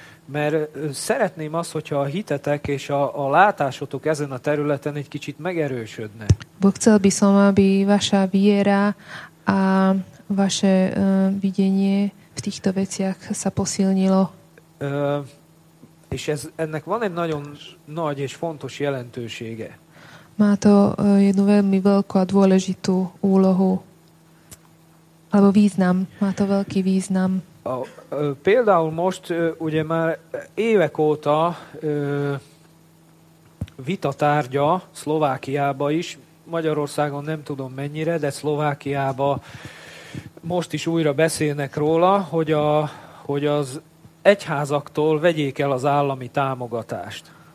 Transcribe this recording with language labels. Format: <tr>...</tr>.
<hu>Mert szeretném azt, hogyha a hitetek és a látásotok ezen a területen egy kicsit megerősödne.</hu> <sk>Boh chcel by som, aby vaša viera a vaše videnie v týchto veciach sa posilnilo.</sk> <hu>És ennek van egy nagyon nagy és fontos jelentősége.</hu> <sk>Má to jednu veľmi veľkú a dôležitú úlohu. Alebo význam. Má to veľký význam.</sk> <hu>Például most ugye már évek óta vitatárgya Szlovákiába is, Magyarországon nem tudom mennyire, de Szlovákiába most is újra beszélnek róla, hogy az egyházaktól vegyék el az állami támogatást.</hu>